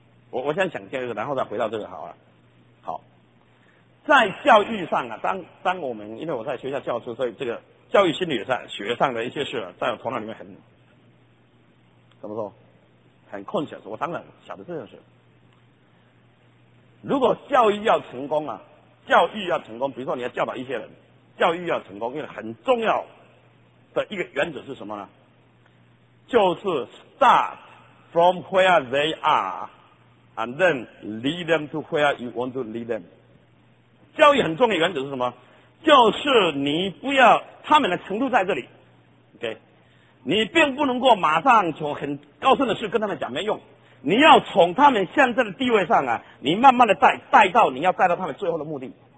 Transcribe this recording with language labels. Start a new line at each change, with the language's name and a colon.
Chinese: 我先讲这个，然后再回到这个好了。好，在教育上啊，当我们因为我在学校教书，所以这个教育心理上学上的一些事、在我头脑里面很怎么说，很困想。我当然晓得这件事。如果教育要成功啊。教育要成功，比如说你要教导一些人，教育要成功，因为很重要的一个原则是什么呢？
English: 就是 start from where they are and then lead them to where you want to lead them。
Chinese: 教育很重要的原则是什么？就是你不要他们的程度在这里， OK， 你并不能够马上从很高深的事跟他们讲，没用，你要从他们现在的地位上啊，你慢慢的带到你要带到他们最后的目的。